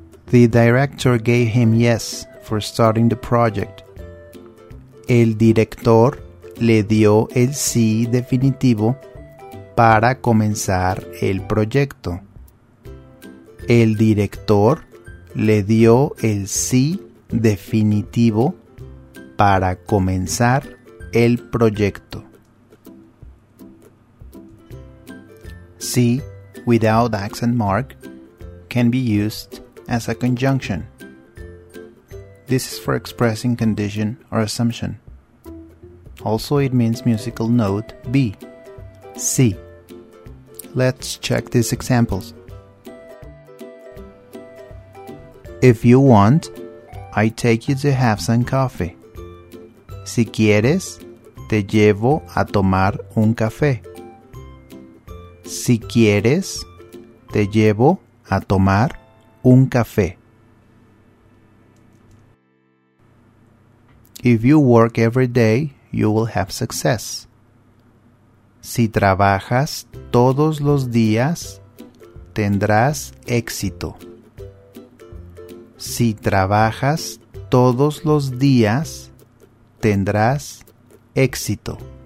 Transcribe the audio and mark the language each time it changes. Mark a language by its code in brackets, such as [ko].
[en] The director gave him yes for starting the project. [es] El director le dio el sí definitivo para comenzar el proyecto. El director le dio el sí definitivo para comenzar el proyecto. [en] C without accent mark can be used as a conjunction. This is for expressing condition or assumption. Also, it means musical note B. C. Let's check these examples. If you want, I take you to have some coffee. [es] Si quieres, te llevo a tomar un café. Si quieres, te llevo a tomar un café. [en] If you work every day, you will have success. [es] Si trabajas todos los días, tendrás éxito. Si trabajas todos los días, tendrás éxito.